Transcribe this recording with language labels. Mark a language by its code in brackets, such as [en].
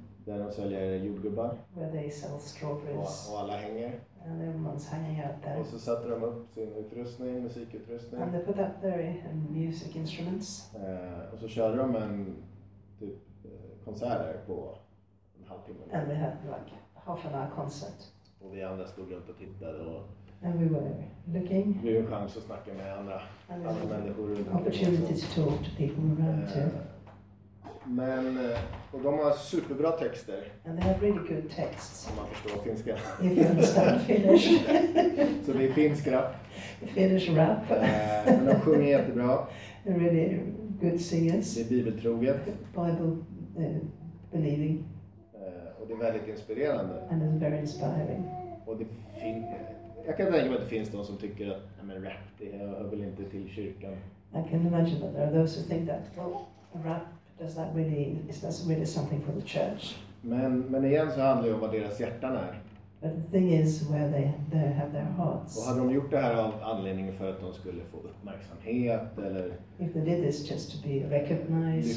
[sv] Där de säljer jordgubbar. [en] Where they sell strawberries. [sv] Och alla hänger. [en] And everyone's hanging out there. [sv] Och så sätter de upp sin utrustning, musikutrustning. [en] And they put up their music instruments. [sv] Och så körde de en typ konsert där på en halvtimme. [en] And they had like half an hour concert. [sv] Och vi andra stod runt och tittade och [en] and we were looking. [sv] Det var en chans att snacka med andra människor runt omkring. [en] Opportunity to talk to people around too. [sv] Men och de har superbra texter. [en] And they have really good texts. [sv] Om man förstår finska. [en] If you understand Finnish. [sv] Så det är finsk rap. [en] Finnish rap. [sv] Men de sjunger jättebra. [en] They're really good singers. [sv] Det är bibeltroget. [en] Bible believing. [sv] Och det är väldigt inspirerande. [en] And it's very inspiring. [sv] Och det finns. Jag kan tänka mig att det finns de som tycker att nej men rap det hör väl inte till kyrkan. [en] I can imagine that there are those who think that well rap. Does that really, is that really something for the church? [sv] Men igen så handlar det om vad deras hjärtan är. [en] But the thing is where they have their hearts. [sv] Och hade de gjort det här av anledningen för att de skulle få uppmärksamhet eller [en] if they did this just to be recognized.